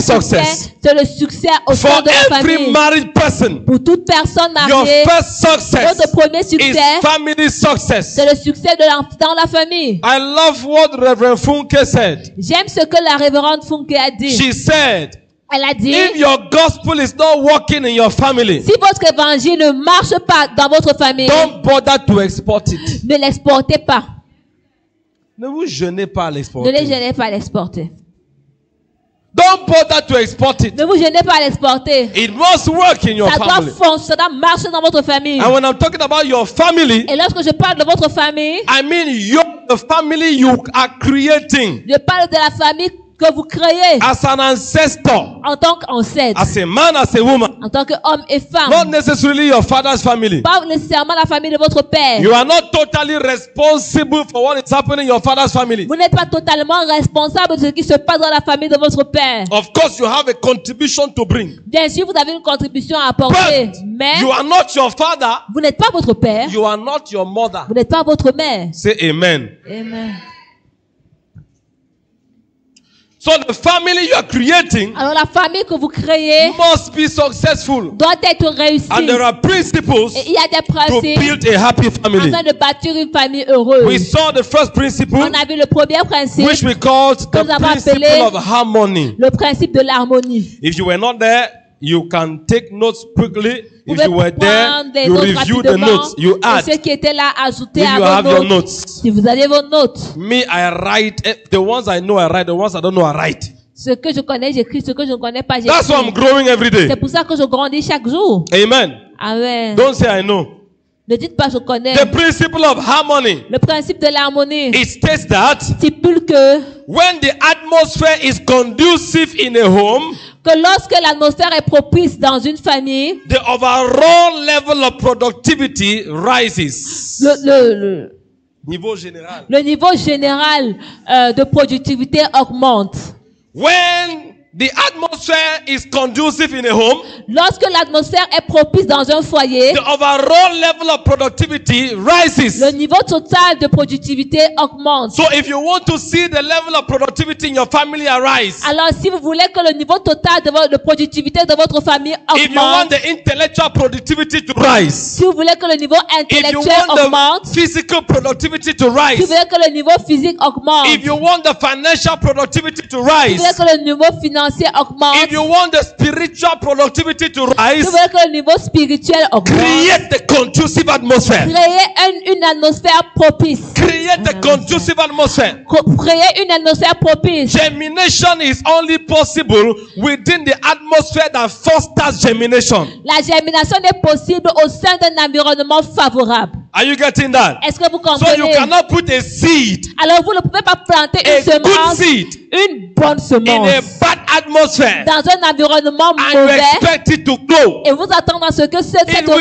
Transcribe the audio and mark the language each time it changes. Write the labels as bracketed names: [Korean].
[English] success. [French] Succès, c'est le succès au [English] for [French] sein de [English] every [French] la famille. [English] Married person, [French] pour toute personne mariée, [English] your first success [French] votre premier succès, [English] is family success. [French] C'est le succès de dans la famille. [English] I love what Reverend Funke said. [French] J'aime ce que la révérende Funke a dit. [English] She said. [French] Elle a dit, [English] if your gospel is not working in your family, [French] si votre évangile ne marche pas dans votre famille, [English] don't bother to export it. [French] Ne l'exportez pas. Ne vous gênez pas à l'exporter. Ne les gênez pas à l'exporter. [English] Don't bother to export it. [French] Ne vous gênez pas à l'exporter. [English] It must work in your [French] ça [English] family. [French] Doit fonctionner, ça marche dans votre famille. [English] And when I'm talking about your family, [French] et lorsque je parle de votre famille, [English] I mean your, the family you are creating. [French] Je parle de la famille que vous créez [English] as an ancestor, [French] en tant qu'ancêtre, [English] as a man, as a woman, [French] en tant qu'homme et femme, [English] not necessarily your father's family, [French] pas nécessairement la famille de votre père. [English] You are not totally responsible for what is happening in your father's family. [French] Vous n'êtes pas totalement responsable de ce qui se passe dans la famille de votre père. [English] Of course, you have a contribution to bring. [French] Bien sûr, vous avez une contribution à apporter. [English] But [French] mais [English] you are not your father. [French] Vous n'êtes pas votre père. [English] You are not your mother. [French] Vous n'êtes pas votre mère. [English] Say amen. [French] Amen. [English] So the family you are creating, [French] alors la famille que vous créez, [English] must be successful, [French] doit être réussie. [English] And there are principles, [French] et il y a des principes, [English] to build a happy family, [French] afin de bâtir une famille heureuse. [English] We saw the first principle, [French] on a vu le premier principe, [English] which we called the principle of harmony, [French] le principe de l'harmonie. [English] If you were not there, you can take notes quickly. If you were there, you review the notes. You add. [French] Ceux qui étaient là, ajoutez [English] if you have notes. Your notes. [French] Si vous avez vos notes. [English] Me, I write. The ones I know, I write. The ones I don't know, I write. [French] Ce que je connais, j'écris. Ce que je ne connais pas, j'écris. [English] That's why I'm growing every day. [French] C'est pour ça que je grandis chaque jour. [English] Amen. [French] Amen. [English] Don't say I know. [French] Ne dites pas je connais. [English] The principle of harmony. [French] Le principe de l'harmonie. [English] It states that. [French] Stipule que. [English] When the atmosphere is conducive in a home. [French] Que lorsque l'atmosphère est propice dans une famille. [English] The overall level of productivity rises. [French] Le niveau général. Le niveau général de productivité augmente. [English] When the atmosphere is conducive in a home. [French] Lorsque l'atmosphère est propice dans un foyer. [English] The overall level of productivity rises. [French] Le niveau total de productivité augmente. [English] So if you want to see the level of productivity in your family arise. [French] Alors si vous voulez que le niveau total de productivité de votre famille augmente. [English] If you want the intellectual productivity to rise. [French] Si vous voulez que le niveau intellectuel augmente. [English] If you want the physical productivity to rise. [French] Si vous voulez que le niveau physique augmente. [English] If you want the financial productivity to rise. [French] Si vous voulez que le niveau financier augmente. [English] If you want the spiritual productivity to rise, [French] tu veux que le niveau spirituel augmente. [English] Create the conducive atmosphere. [French] Créer une atmosphère propice. [English] Create the conducive atmosphere. [French] Créer une atmosphère propice. [English] Germination is only possible within the atmosphere that fosters germination. [French] La germination est possible au sein d'un environnement favorable. [English] Are you getting that? [French] Est-ce que vous comprenez? [English] So you cannot put a seed. [French] Alors vous ne pouvez pas planter une semence. [English] A good seed. [French] Une bonne semence. [English] In a bad atmosphere. [French] Dans un environnement [English] and [French] mauvais. [English] And you expect it to grow. [French] Et vous attendez à ce que cette semence